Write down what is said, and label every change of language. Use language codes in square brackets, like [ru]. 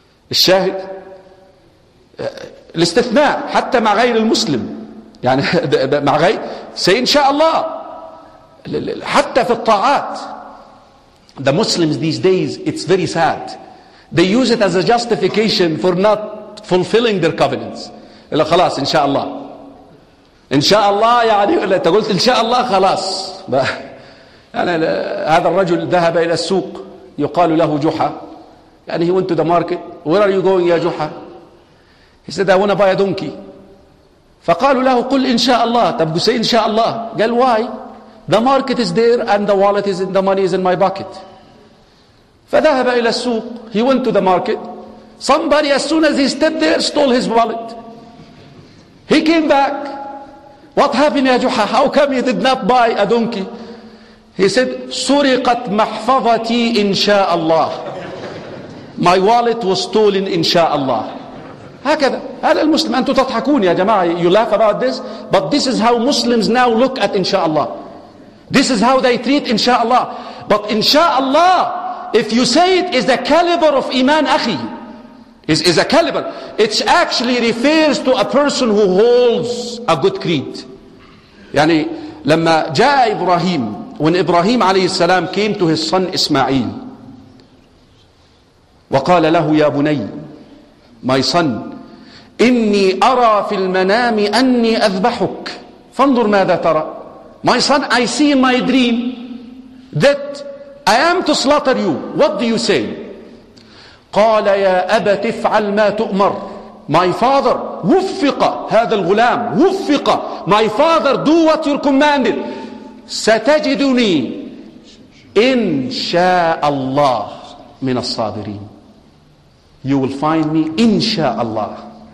[ar] الشاهد الاستثناء حتى مع غير المسلم, يعني مع غير سي إن شاء الله. حتى في الطاعات, [en] the Muslims these days, it's very sad, they use it as a justification for not fulfilling their covenants. [ar] إلا خلاص إن شاء الله, إن شاء الله. يعني أنت قلت إن شاء الله خلاص. يعني هذا الرجل ذهب إلى السوق, يقال له جحا, يعني [en] he went to the market. Where are you going يا جحا؟ He said, I want to buy a donkey. [ar] فقالوا له قل إن شاء الله. تبقوا say إن شاء الله. قال why? [en] The market is there and the wallet is in, the money is in my pocket. [ar] فذهب إلى السوق. [en] He went to the market. Somebody as soon as he stepped there stole his wallet. He came back. What happened يا جحا? How come you did not buy a donkey? He said, [ar] سرقت محفظتي إن شاء الله. [en] My wallet was stolen [ar] إن شاء الله. هكذا هذا المسلم. أنتم تضحكون يا جماعة, [en] you laugh about this, but this is how Muslims now look at inshallah. This is how they treat inshallah. But inshallah, if you say it, is the caliber of iman akhi, is a caliber. It actually refers to a person who holds a good creed. [ar] يعني لما جاء إبراهيم, [en] when Ibrahim عليه السلام came to his son Ismail, [ar] وقال له يا بني, [en] my son, [ar] إني أرى في المنام أني أذبحك. فانظر ماذا ترى. [en] My son, I see in my dream that I am to slaughter you. What do you say? [ar] قال يا أبا تفعل ما تؤمر. [en] My father, [ar] وفق هذا الغلام, وفق. [en] My father, do what you're commanded. [ar] ستجدني إن شاء الله من الصابرين. [en] You will find me, insha'Allah.